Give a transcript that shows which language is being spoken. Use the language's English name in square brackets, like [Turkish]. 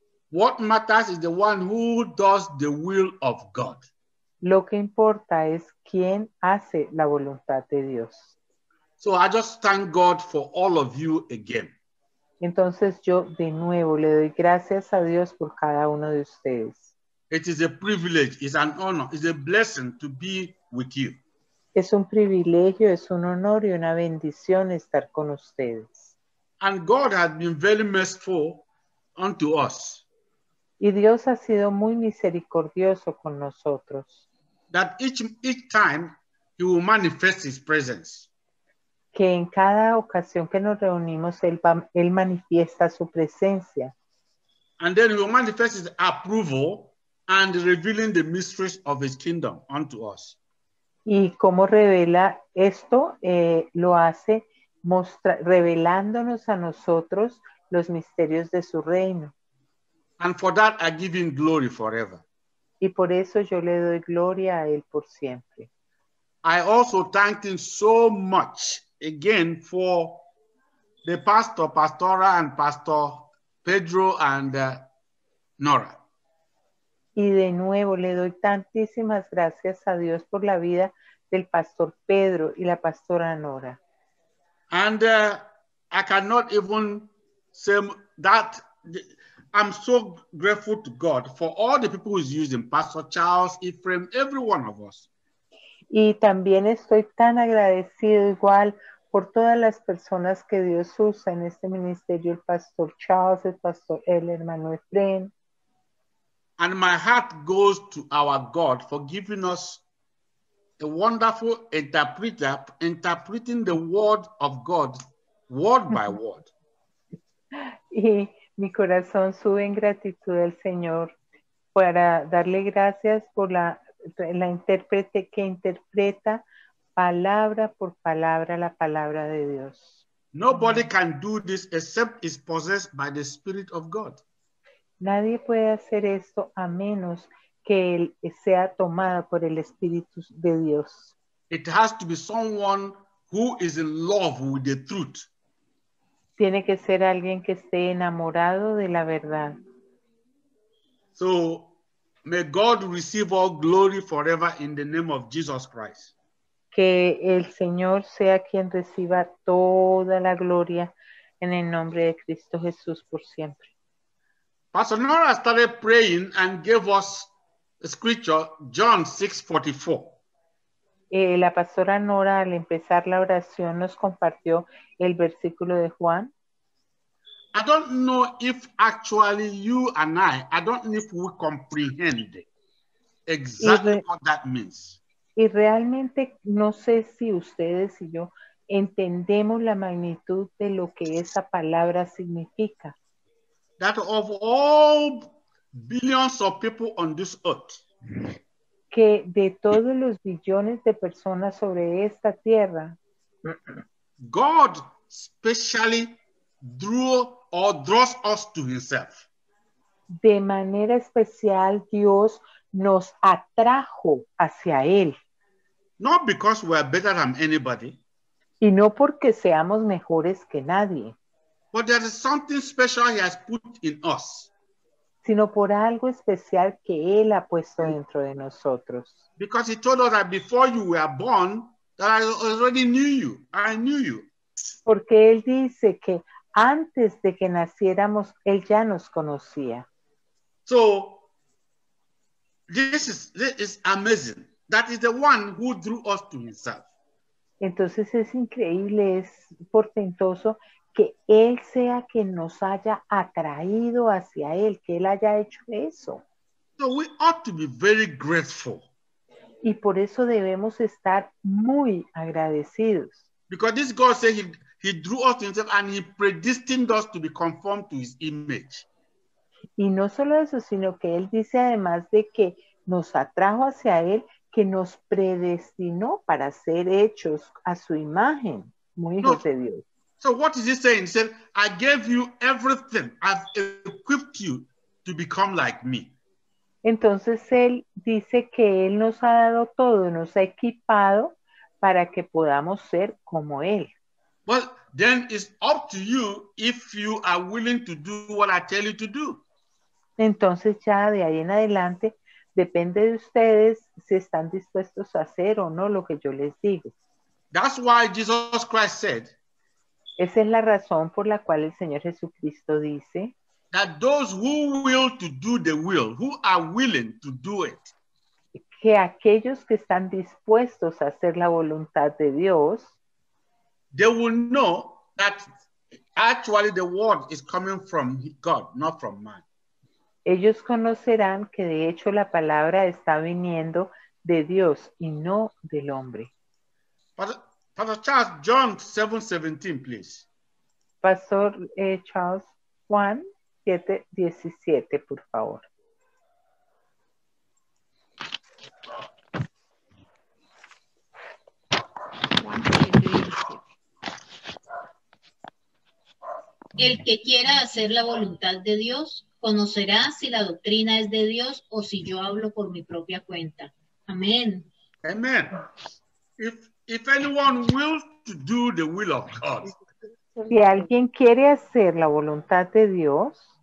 [English] What matters is the one who does the will of God. [Spanish] Lo que importa es quién hace la voluntad de Dios. [English] So I just thank God for all of you again. [Spanish] Entonces yo de nuevo le doy gracias a Dios por cada uno de ustedes. [English] It is a privilege, it's an honor, it's a blessing to be with you. [Spanish] Es un privilegio, es un honor y una bendición estar con ustedes. [English] And God has been very merciful unto us. [Spanish] Y Dios ha sido muy misericordioso con nosotros. [English] That each time he will manifest his presence. [Spanish] Que en cada ocasión que nos reunimos, él manifiesta su presencia. [English] And then he will manifest his approval and revealing the mysteries of his kingdom unto us. [Spanish] Y cómo revela esto, lo hace revelándonos a nosotros los misterios de su reino. [English] And for that I give him glory forever. [Spanish] Y por eso yo le doy gloria a él por siempre. [English] I also thank him so much again for the pastor, Pastora and Pastor Pedro and Nora. [Spanish] Y de nuevo le doy tantísimas gracias a Dios por la vida del pastor Pedro y la pastora Nora. [English] And I cannot even say that I'm so grateful to God for all the people who's using Pastor Charles, Ephraim, every one of us. [Spanish] Y también estoy tan agradecido igual por todas las personas que Dios usa en este ministerio, el Pastor Charles, el Pastor El, hermano Ephraim. [English] And my heart goes to our God for giving us a wonderful interpreter interpreting the word of God word by word. [Spanish] Y mi corazón sube en gratitud al Señor para darle gracias por la la intérprete que interpreta palabra por palabra la palabra de Dios. [English] Nobody can do this except is possessed by the Spirit of God. [Spanish] Nadie puede hacer esto a menos que él sea tomado por el Espíritu de Dios. [English] It has to be someone who is in love with the truth. [Spanish] Tiene que ser alguien que esté enamorado de la verdad. [English] So, may God receive all glory forever in the name of Jesus Christ. [Spanish] Que el Señor sea quien reciba toda la gloria en el nombre de Cristo Jesús por siempre. [English] Pastor Nora started praying and gave us a scripture, John 6:44. [Spanish] La pastora Nora, al empezar la oración, nos compartió el versículo de Juan. [English] I don't know if actually you and I don't know if we comprehend exactly what that means. [Spanish] Y realmente no sé si ustedes y yo entendemos la magnitud de lo que esa palabra significa. [English] That of all billions of people on this earth. [Spanish] Que de todos los billones de personas sobre esta tierra, [English] God specially drew or draws us to himself. [Spanish] De manera especial, Dios nos atrajo hacia él. [English] Not because we are better than anybody. [Spanish] Y no porque seamos mejores que nadie. [English] But there is something special he has put in us. [Spanish] Sino por algo especial que él ha puesto dentro de nosotros. [English] Because he told us that before you were born, that I already knew you. I knew you. [Spanish] Porque él dice que antes de que naciéramos, él ya nos conocía. [English] So, this is amazing. That is the one who drew us to himself. [Spanish] Entonces es increíble, es portentoso que él sea quien nos haya atraído hacia él, que él haya hecho eso. [English] So we ought to be very grateful. [Spanish] Y por eso debemos estar muy agradecidos. [English] Because this God said he drew us to himself and he predestined us to be conformed to his image. [Spanish] Y no solo eso, sino que él dice además de que nos atrajo hacia él, que nos predestinó para ser hechos a su imagen, como hijos de Dios. [English] So what is he saying? He said, I gave you everything. I've equipped you to become like me. [Spanish] Entonces él dice que él nos ha dado todo, nos ha equipado para que podamos ser como él. [English] Well, then it's up to you if you are willing to do what I tell you to do. [Spanish] Entonces ya de ahí en adelante depende de ustedes si están dispuestos a hacer o no lo que yo les digo. [English] That's why Jesus Christ said. [Spanish] Esa es la razón por la cual el Señor Jesucristo dice. [English] That those who will to do the will, who are willing to do it. [Spanish] Que aquellos que están dispuestos a hacer la voluntad de Dios. [English] They will know that actually the word is coming from God, not from man. [Spanish] Ellos conocerán que de hecho la palabra está viniendo de Dios y no del hombre. [English] Pastor Charles, John 7:17, please. [Spanish] Pastor Charles, Juan 7:17, por favor. El que quiera hacer la voluntad de Dios conocerá si la doctrina es de Dios o si yo hablo por mi propia cuenta. Amén. Amén. [English] If anyone wills to do the will of God. [Spanish] Si alguien quiere hacer la voluntad de Dios.